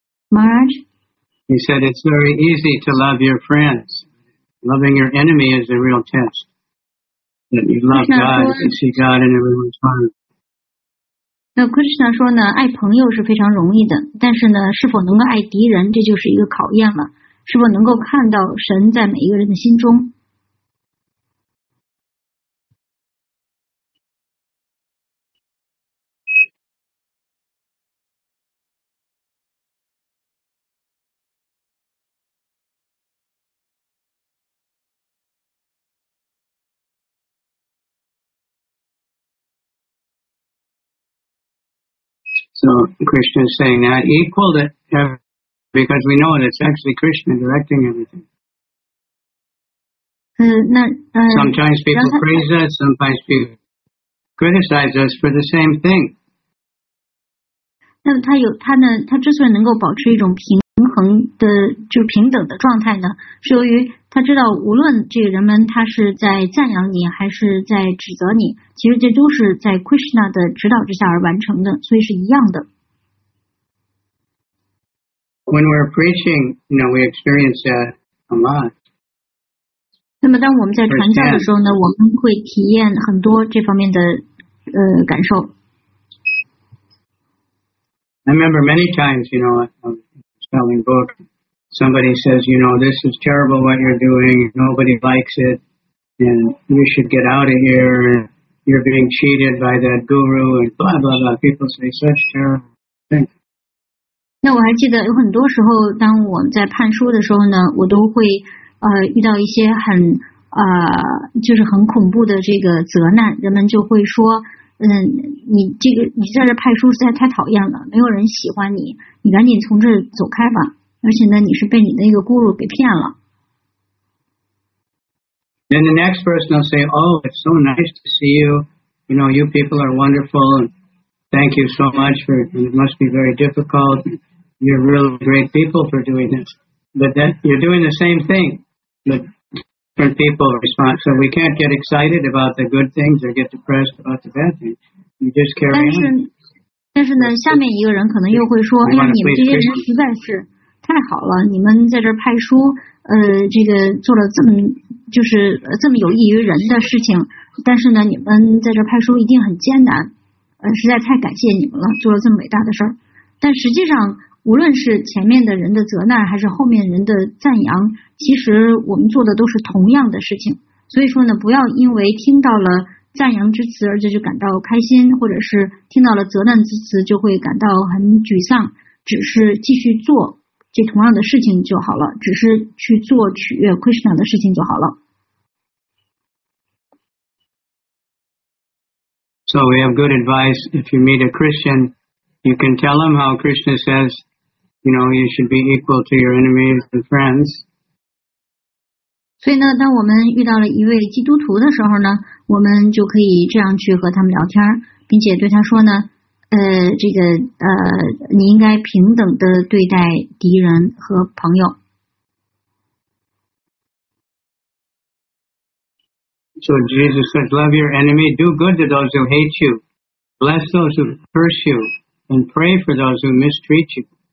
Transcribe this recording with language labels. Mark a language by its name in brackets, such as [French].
[English] Maharaj? He said it's very easy to love your friends. Loving your enemy is a real test. That you love God and see God in everyone's heart. [Chinese] 那 Krishna 说呢，爱朋友是非常容易的，但是呢，是否能够爱敌人，这就是一个考验了。是否能够看到神在每一个人的心中？ [English] So Krishna is saying that equal to everything because we know that it's actually Krishna directing everything. Sometimes people praise us, sometimes people criticize us for the same thing. [Chinese] 那他有他呢？他之所以能够保持一种平衡的，就是平等的状态呢，是由于他知道，无论这个人们他是在赞扬你还是在指责你，其实这都是在 Krishna 的指导之下而完成的，所以是一样的。 [English] When we're preaching, you know, we experience that a lot. [Chinese] 那么当我们在传教的时候呢，我们会体验很多这方面的感受。 [English] I remember many times, you know, selling books. Somebody says, you know, this is terrible what you're doing, nobody likes it, and you should get out of here, you're being cheated by that guru, and blah, blah, blah. People say such terrible things. [Chinese] 那我还记得有很多时候当我在判书的时候呢，我都会遇到一些很就是很恐怖的这个责难，人们就会说你在这判书实在太讨厌了，没有人喜欢你，你赶紧从这走开吧。而且呢，你是被你的一个 guru 给骗了。 [English] Then the next person will say, "Oh, it's so nice to see you. You know, you people are wonderful. Thank you so much for. It must be very difficult. You're really great people for doing this. But then you're doing the same thing. But different people respond. So we can't get excited about the good things or get depressed about the bad things. You just carry on. [Chinese] 但是呢，下面一个人可能又会说，哎呀，你们这些人实在是。太好了，你们在这儿派书，这个做了这么就是这么有益于人的事情，但是呢，你们在这儿派书一定很艰难，实在太感谢你们了，做了这么伟大的事儿。但实际上，无论是前面的人的责难，还是后面人的赞扬，其实我们做的都是同样的事情。所以说呢，不要因为听到了赞扬之词而就感到开心，或者是听到了责难之词就会感到很沮丧，只是继续做。这同样的事情就好了，只是去做取悦 Krishna 的事情就好了。 [English] So we have good advice. If you meet a Christian, you can tell him how Krishna says, you know, you should be equal to your enemies and friends. [Chinese] 所以呢，当我们遇到了一位基督徒的时候呢，我们就可以这样去和他们聊天，并且对他说呢。你应该平等的对待敌人和朋友。 [English] So Jesus says, love your enemy, do good to those who hate you, bless those who curse you, and pray for those who mistreat you.